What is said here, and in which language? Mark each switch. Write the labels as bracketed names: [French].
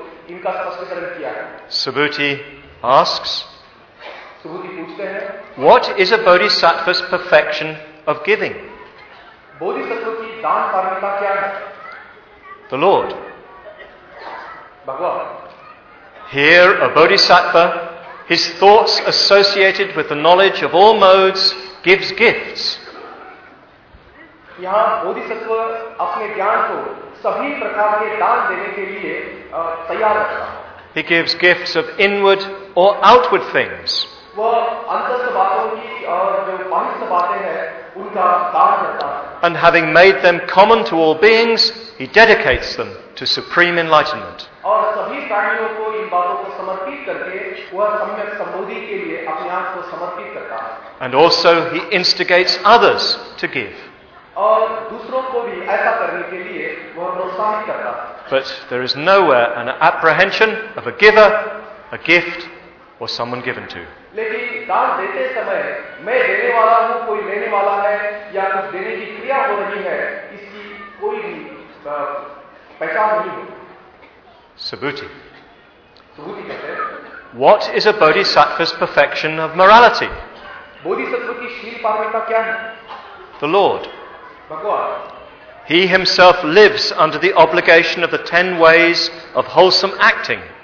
[Hindi] इनका स्पष्टीकरण किया है. [English] Subhuti asks, [Hindi] Subhuti पूछते हैं, [English] what is a bodhisattva's perfection of giving? [Hindi] Bodhisattva की दान पारमिता क्या है? [English] The Lord. [Hindi] भगवान. [English] Here, a bodhisattva, his thoughts associated with the knowledge of all modes, gives gifts. [Hindi] यहाँ बोधिसत्व अपने ज्ञान को सभी प्रकार के दान देने के लिए तैयार रहता है. [English] He gives gifts of inward or outward things. [Hindi] वह अंतर्स्थ बातों की और जो बाहिस्थ बातें हैं उनका दान करता है. [English] And having made them common to all beings, he dedicates them to supreme enlightenment. [Hindi] और सभी प्राणियों को इन बातों को समर्पित करके वह सम्यक संबोधि के लिए अपने आप को समर्पित करता है. [English] And also he instigates others to give. [Hindi] और दूसरों को भी ऐसा करने के लिए वह प्रोत्साहित करता है. [English] But there is nowhere an apprehension of a giver, a gift, or someone given to. [Hindi] लेकिन दान देते समय मैं देने वाला हूँ, कोई लेने वाला है, या कुछ देने की क्रिया हो रही है, इसकी कोई भी पहचान नहीं है. [English] Subhuti. [Hindi] Subhuti कहते हैं, [English] what is a bodhisattva's perfection of morality? [Hindi] Bodhisattva की शील पारमिता क्या है? [English] The Lord. [Hindi] भगवान. [English] He himself lives under the obligation of the 10 ways of wholesome acting.